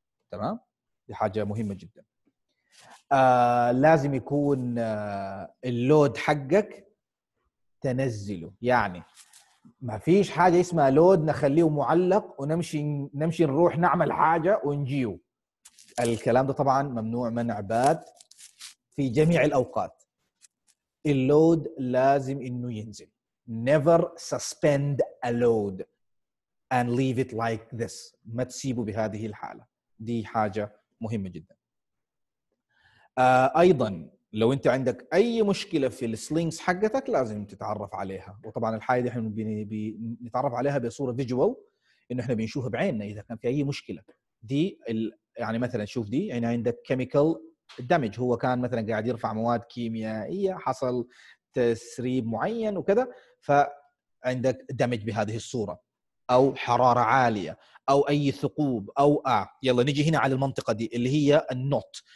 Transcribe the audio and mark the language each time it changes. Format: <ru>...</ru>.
<ar>تمام, دي حاجة مهمة جدا. لازم يكون اللود حقك تنزله, يعني ما فيش حاجة اسمها لود نخليه معلق ونمشي نروح نعمل حاجة ونجيه. الكلام ده طبعا ممنوع منع بات في جميع الأوقات. اللود لازم انه ينزل.</ar> <en>Never suspend a load and leave it like this,</en> <ar>ما تسيبه بهذه الحالة, دي حاجة مهمة جدا. ايضا لو انت عندك اي مشكله في السلينجز حقتك لازم تتعرف عليها. وطبعا الحاجه دي احنا بنتعرف عليها بصوره فيجوال, ان احنا بنشوفها بعيننا اذا كان في اي مشكله. دي يعني مثلا شوف دي, يعني عندك كيميكال دامج, هو كان مثلا قاعد يرفع مواد كيميائيه, حصل تسريب معين وكذا, فعندك دامج بهذه الصوره, او حراره عاليه, او اي ثقوب, او يلا نجي هنا على المنطقه دي اللي هي النوت.</ar>